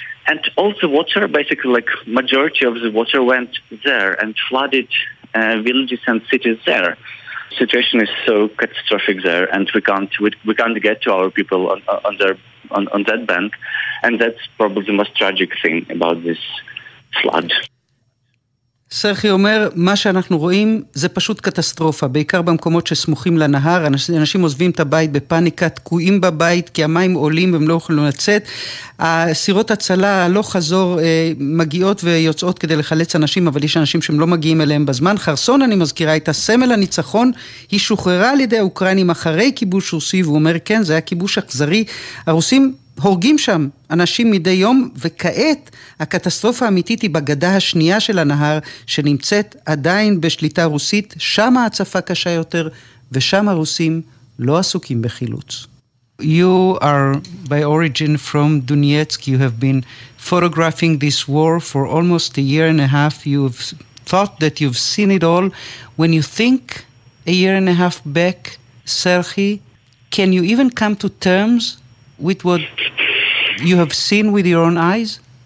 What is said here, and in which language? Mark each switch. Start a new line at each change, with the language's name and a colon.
English: And all the water, basically like majority of the water, went there and flooded villages and cities there. Situation is so catastrophic there, and we can't get to our people on that bank, and that's probably the most tragic thing about this flood.
Hebrew: סרחי אומר, מה שאנחנו רואים זה פשוט קטסטרופה, בעיקר במקומות שסמוכים לנהר. אנשים עוזבים את הבית בפאניקה, תקועים בבית כי המים עולים והם לא יכולים לצאת. הסירות הצלה לא חזור מגיעות ויוצאות כדי לחלץ אנשים, אבל יש אנשים שהם לא מגיעים אליהם בזמן. חרסון, אני מזכירה, את הסמל הניצחון, היא שוחררה על ידי האוקראינים אחרי כיבוש רוסי, והוא אומר, כן, זה היה כיבוש אכזרי, הרוסים הורגים שם אנשים מדי יום, וכעת הקטסטרופה האמיתית היא בגדה השנייה של הנהר, שנמצאת עדיין בשליטה רוסית, שם ההצפה קשה יותר, ושם הרוסים לא עסוקים בחילוץ.
English: You are by origin from Donetsk. You have been photographing this war for almost a year and a half. You've thought that you've seen it all. When you think a year and a half back, Serhii, can you even come to terms with what you have seen with your own eyes?